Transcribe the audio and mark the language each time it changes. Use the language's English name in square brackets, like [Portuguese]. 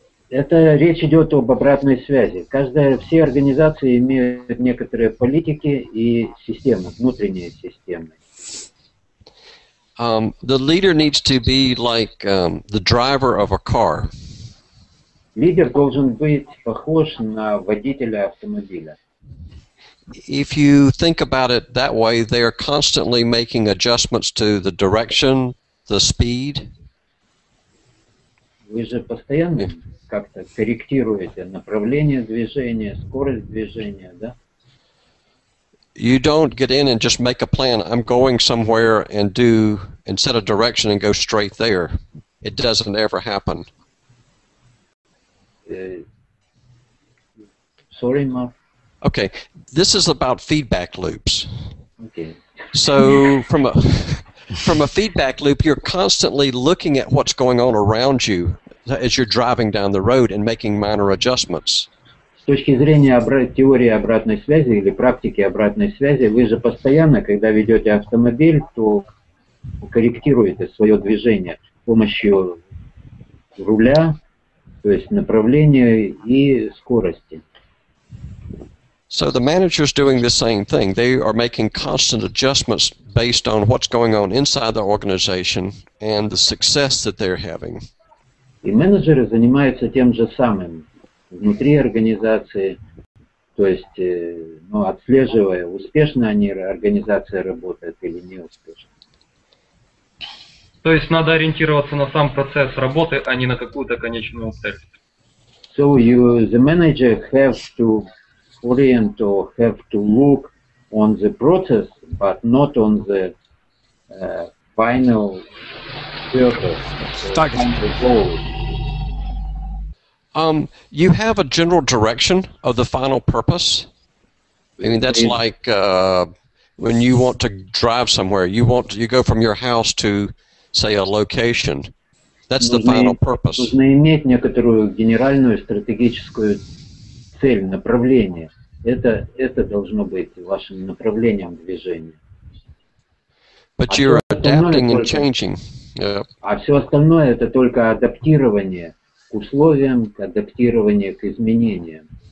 [Russian] Это речь идет об обратной связи. Все организации имеют некоторые политики и системы, внутренние системы. [English] The leader needs to be like the driver of a car. [Russian] Лидер должен быть похож на водителя автомобиля. [English] If you think about it that way, they are constantly making adjustments to the direction, the speed. [Russian] Вы же постоянно как-то корректируете направление движения, скорость движения, да? [English] You don't get in and just make a plan. I'm going somewhere and set a direction and go straight there. It doesn't ever happen. Sorry, Mark. Okay, this is about feedback loops. Okay. So from a feedback loop, you're constantly looking at what's going on around you as you're driving down the road and making minor adjustments. [Russian] С точки зрения теории обратной связи или практики обратной связи, вы же постоянно, когда ведете автомобиль, то корректируете свое движение с помощью руля, то есть направления и скорости. [English] So the manager is doing the same thing. They are making constant adjustments based on what's going on inside the organization and the success that they're having. [Russian] И менеджеры занимаются тем же самым внутри организации, то есть, ну, отслеживая, успешно они организация работает или не успешно. То есть надо ориентироваться на сам процесс работы, а не на какую-то конечную цель. [English] So you, the manager, have to orient or have to look on the process, but not on the final purpose, on the goal. You have a general direction of the final purpose. I mean, that's like when you want to drive somewhere, you go from your house to, say, a location. That's the final purpose. [Russian] Нужно иметь некоторую генеральную стратегическую цель, направление. Это должно быть вашим направлением движения. [English] But you're adapting and changing. [Russian] А все остальное это только адаптирование к условиям, к адаптированию к изменениям.